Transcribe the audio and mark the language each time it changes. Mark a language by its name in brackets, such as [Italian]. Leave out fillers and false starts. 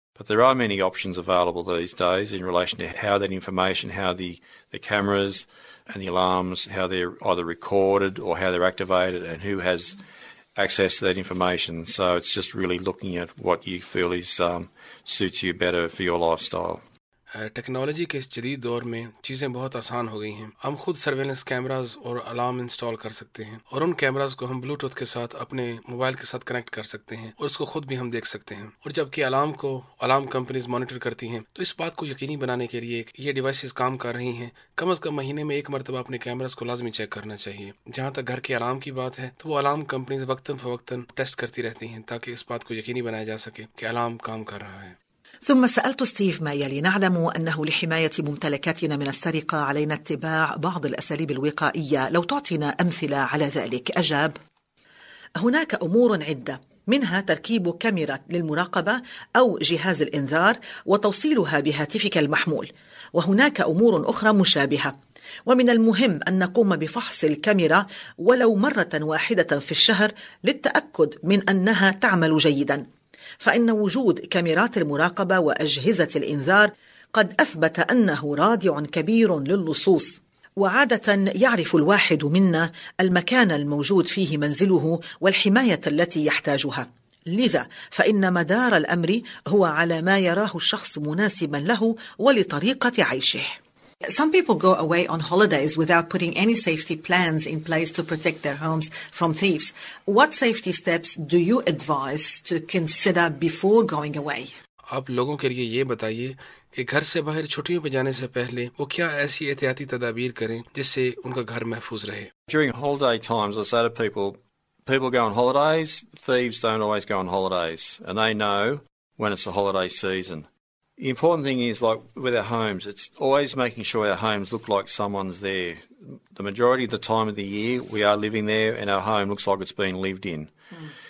[English] But there are many options available these days in relation to how that information, how the cameras and the alarms, how they're either recorded or how they're activated and who has access to that information. So it's just really looking at what you feel is suits you better for your lifestyle. [Urdu] Technology کے اس جدید دور میں چیزیں بہت آسان ہو گئی ہیں. ہم خود سرویلنس کیمراز اور الارم انسٹال کر سکتے ہیں اور ان کیمراز کو ہم بلوٹوتھ کے ساتھ اپنے موبائل کے ساتھ کنیکٹ کر سکتے ہیں اور اس کو خود بھی ہم دیکھ سکتے ہیں. اور جبکہ الارم کو الارم کمپنیز مانیٹر کرتی ہیں, تو اس بات کو یقینی بنانے کے لیے یہ ڈیوائسز کام کر رہی ہیں, کم از کم مہینے میں ایک مرتبہ اپنے کیمراز کو لازمی چیک کرنا چاہیے. جہاں تک گھر کے الارم کی بات ہے, تو وہ الارم کمپنیز وقتاً فوقتاً ٹیسٹ کرتی رہتی ہیں تاکہ اس بات کو یقینی بنایا جا سکے کہ الارم کام کر رہا ہے. [Arabic] ثم سألت ستيف ما يلي: نعلم أنه لحماية ممتلكاتنا من السرقة علينا اتباع بعض الأساليب الوقائية, لو تعطينا أمثلة على ذلك. أجاب: هناك أمور عدة, منها تركيب كاميرا للمراقبة أو جهاز الإنذار وتوصيلها بهاتفك المحمول, وهناك أمور أخرى مشابهة, ومن المهم أن نقوم بفحص الكاميرا ولو مرة واحدة في الشهر للتأكد من أنها تعمل جيداً, فإن وجود كاميرات المراقبة وأجهزة الإنذار قد أثبت أنه رادع كبير للصوص, وعادة يعرف الواحد منا المكان الموجود فيه منزله والحماية التي يحتاجها, لذا فإن مدار الأمر هو على ما يراه الشخص مناسبا له ولطريقة عيشه. [English] Some people go away on holidays without putting any safety plans in place to protect their homes from thieves. What safety steps do you advise to consider before going away? [Urdu] آپ لوگوں کے لیے یہ بتائیے کہ گھر سے باہر چھٹیوں پہ جانے سے پہلے وہ کیا ایسی احتیاطی تدابیر کریں جس سے ان کا گھر محفوظ رہے. [English] During holiday times, I say to people go on holidays, thieves don't always go on holidays, and they know when it's the holiday season. The important thing is, like with our homes, it's always making sure our homes look like someone's there. The majority of the time of the year, we are living there and our home looks like it's been lived in. Mm.